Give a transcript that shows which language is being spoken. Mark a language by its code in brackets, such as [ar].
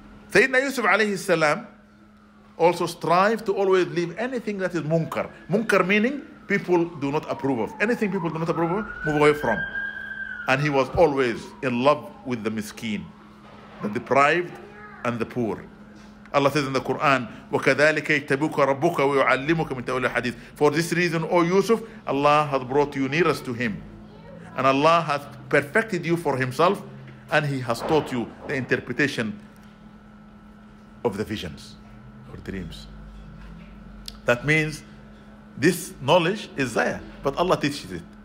[en] Sayyidina Yusuf alayhi salam also strive to always leave anything that is munkar. Munkar meaning people do not approve of. Anything people do not approve of, move away from. And he was always in love with the miskeen, the deprived and the poor. [ar] Allah says in the Quran, وَكَذَلِكَ يَتَّبُوكَ رَبُّكَ وَيُعَلِّمُكَ مِنْ تَأْوِيلِ الْحَدِيثِ. [en] For this reason, O Yusuf, Allah has brought you nearest to him. And Allah has perfected you for himself, and he has taught you the interpretation of the visions or dreams. That means this knowledge is there, but Allah teaches it.